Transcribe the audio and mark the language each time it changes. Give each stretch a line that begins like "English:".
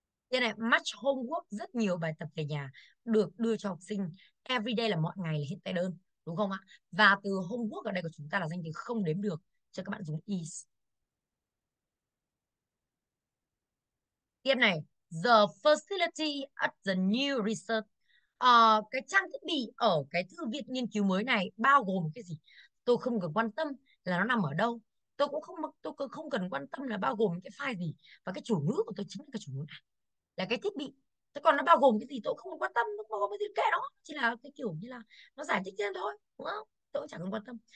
Vietnamese: Thế này, much homework, rất nhiều bài tập về nhà được đưa cho học sinh. Everyday là mọi ngày, là hiện tại đơn, đúng không ạ? Và từ homework ở đây của chúng ta là danh từ không đếm được, cho các bạn dùng is. Tiếp này,
English: the facility at the new research.
Vietnamese: Cái trang thiết bị ở cái thư viện nghiên cứu mới này bao gồm cái gì? Tôi không cần quan tâm là nó nằm ở đâu. Tôi cũng không cần quan tâm là bao gồm cái file gì. Và cái chủ ngữ của tôi chính là cái chủ ngữ này, là cái thiết bị. Thế còn nó bao gồm cái gì tôi không quan tâm, nó bao gồm cái gì kệ nó, chỉ là cái kiểu như là nó giải thích thêm thôi, đúng không? Tôi cũng chẳng cần quan tâm.